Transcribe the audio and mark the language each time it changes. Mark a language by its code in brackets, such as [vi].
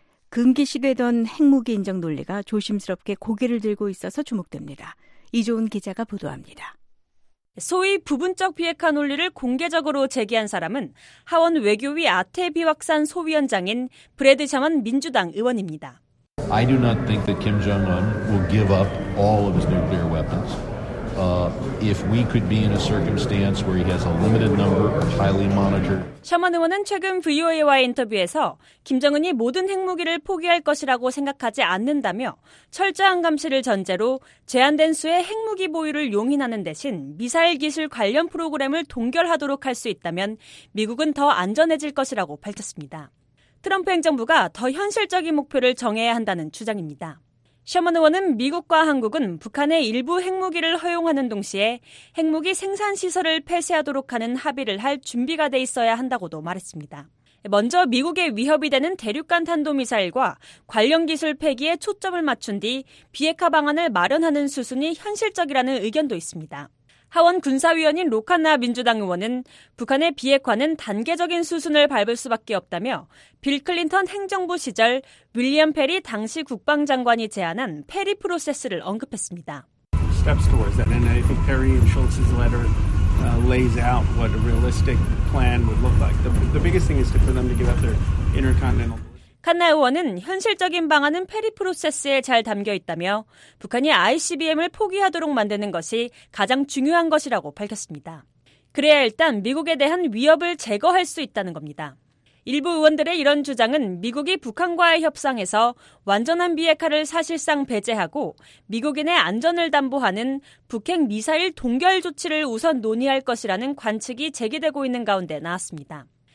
[ko] 금기시되던 핵무기 인정 논리가 조심스럽게 고개를 들고 있어서 주목됩니다. 이조은 기자가 보도합니다. 소위 부분적 비핵화 논리를 공개적으로 제기한 사람은 하원 외교위 아태 비확산 소위원장인 브래드 샤먼 민주당 의원입니다. [en] I do not think that Kim Jong-un will give up all of his nuclear weapons. If we could be in a circumstance where he has a limited number of highly monitored. [ko] 샤먼 의원은 최근 VOA와의 인터뷰에서 김정은이 모든 핵무기를 포기할 것이라고 생각하지 않는다며 철저한 감시를 전제로 제한된 수의 핵무기 보유를 용인하는 대신 미사일 기술 관련 프로그램을 동결하도록 할 수 있다면 미국은 더 안전해질 것이라고 밝혔습니다. 트럼프 행정부가 더 현실적인 목표를 정해야 한다는 주장입니다. 셔먼 의원은 미국과 한국은 북한의 일부 핵무기를 허용하는 동시에 핵무기 생산 시설을 폐쇄하도록 하는 합의를 할 준비가 돼 있어야 한다고도 말했습니다. 먼저 미국의 위협이 되는 대륙간 탄도미사일과 관련 기술 폐기에 초점을 맞춘 뒤 비핵화 방안을 마련하는 수순이 현실적이라는 의견도 있습니다. 하원 군사위원인 로카나 민주당 의원은 북한의 비핵화는 단계적인 수순을 밟을 수밖에 없다며 빌 클린턴 행정부 시절 윌리엄 페리 당시 국방장관이 제안한 페리 프로세스를 언급했습니다. [en] Steps towards that. And I think Perry and Schultz's letter lays out what a realistic plan would look like. The biggest thing is for them to give up their intercontinental. [ko] 칸나 의원은 현실적인 방안은 페리 프로세스에 잘 담겨 있다며 북한이 ICBM을 포기하도록 만드는 것이 가장 중요한 것이라고 밝혔습니다. 그래야 일단 미국에 대한 위협을 제거할 수 있다는 겁니다. 일부 의원들의 이런 주장은 미국이 북한과의 협상에서 완전한 비핵화를 사실상 배제하고 미국인의 안전을 담보하는 북핵 미사일 동결 조치를 우선 논의할 것이라는 관측이 제기되고 있는 가운데 나왔습니다.